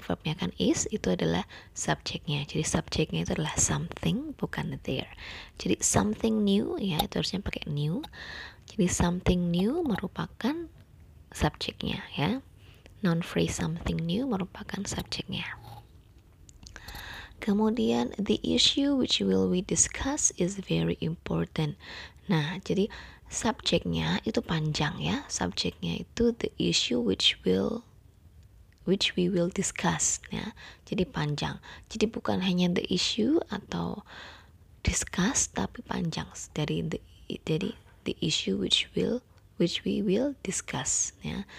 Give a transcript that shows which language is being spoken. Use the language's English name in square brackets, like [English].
[Indonesian] Verbnya kan is, itu adalah subjeknya. Jadi subjeknya itu adalah something bukan there. Jadi something new ya, itu harusnya pakai new. Jadi something new merupakan subjeknya ya. Noun phrase something new merupakan subjeknya. Kemudian [English] the issue which will we discuss is very important. [Indonesian] Nah, jadi subjeknya itu panjang ya. Subjeknya itu [English] the issue which we will discuss [Indonesian] ya. Jadi panjang. Jadi bukan hanya [English] the issue [Indonesian] atau discuss tapi panjang dari [English] the issue which we will discuss [Indonesian] ya.